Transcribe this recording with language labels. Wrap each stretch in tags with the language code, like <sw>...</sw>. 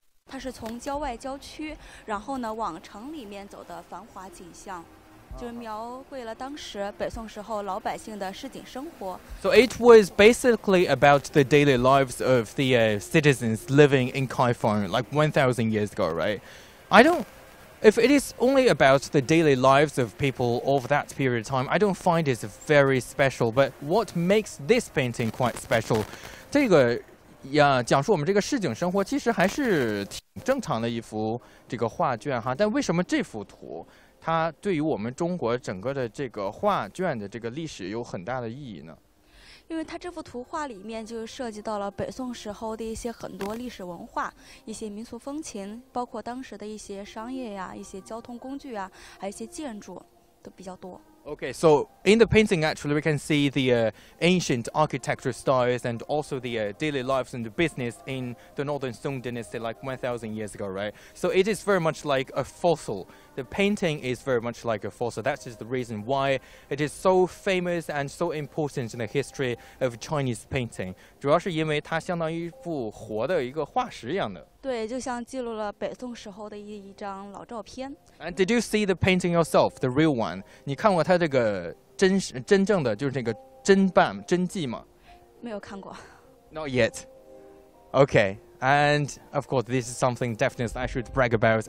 <zh>它是从郊外郊区，然后呢往城里面走的繁华景象，就是描绘了当时北宋时候老百姓的市井生活。</zh> <en>So it was basically about the daily lives of the citizens living in Kaifeng like 1,000 years ago, right? If it is only about the daily lives of people of that period of time, I don't find it very special. But what makes this painting quite special?</en> <zh>这个呀，讲述我们这个市井生活，其实还是挺正常的一幅这个画卷哈。但为什么这幅图，它对于我们中国整个的这个画卷的这个历史有很大的意义呢？因为它这幅图画里面就涉及到了北宋时候的一些很多历史文化，一些民俗风情，包括当时的一些商业呀，一些交通工具啊，还有一些建筑都比较多。</zh> <en>Okay, so in the painting, actually, we can see the ancient architecture styles and also the daily lives and the business in the Northern Song Dynasty like 1,000 years ago, right? So it is very much like a fossil. The painting is very much like a fossil. That is the reason why it is so famous and so important in the history of Chinese painting.</en> <zh>主要是因为它相当于一部活的一个化石一样的。对，就像记录了北宋时候的一张老照片。</zh> <en>And did you see the painting yourself, the real one?</en> <zh>你看过它这个真正的就是这个真瓣真迹吗？没有看过。</zh> <en>Not yet. Okay. And of course, this is something definitely I should brag about.</en>